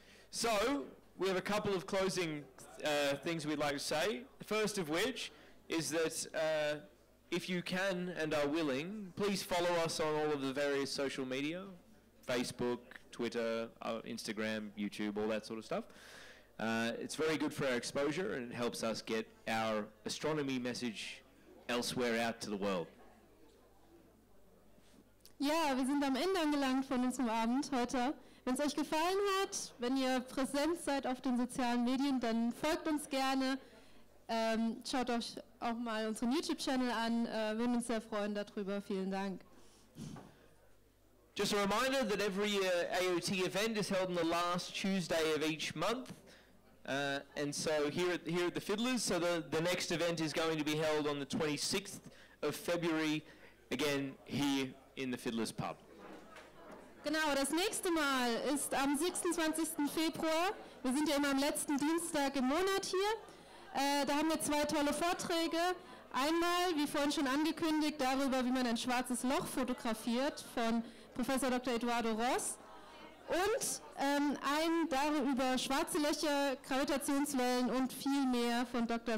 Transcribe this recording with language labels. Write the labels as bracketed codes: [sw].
[en] So, we have a couple of closing things we'd like to say, the first of which is that if you can and are willing, please follow us on all of the various social media, Facebook, Twitter, Instagram, YouTube, all that sort of stuff. It's very good for our exposure, and it helps us get our astronomy message elsewhere out to the world. [de] Ja, wir sind am Ende angelangt von unserem Abend heute. Wenn es euch gefallen hat, wenn ihr präsent seid auf den sozialen Medien, dann folgt uns gerne. Schaut euch auch mal unseren YouTube-Channel an. Wir würden uns sehr freuen darüber. Vielen Dank. [en] Just a reminder that every AOT event is held on the last Tuesday of each month. And so here at the Fiddlers, so the next event is going to be held on the 26th of February, again here in the Fiddlers Pub. [de] Genau, das nächste Mal ist am 26. Februar. Wir sind ja immer am letzten Dienstag im Monat hier. Da haben wir zwei tolle Vorträge. Einmal, wie vorhin schon angekündigt, darüber, wie man ein schwarzes Loch fotografiert, von Professor Dr. Eduardo Ross. Und ein darüber schwarze Löcher, Gravitationswellen und viel mehr von Dr.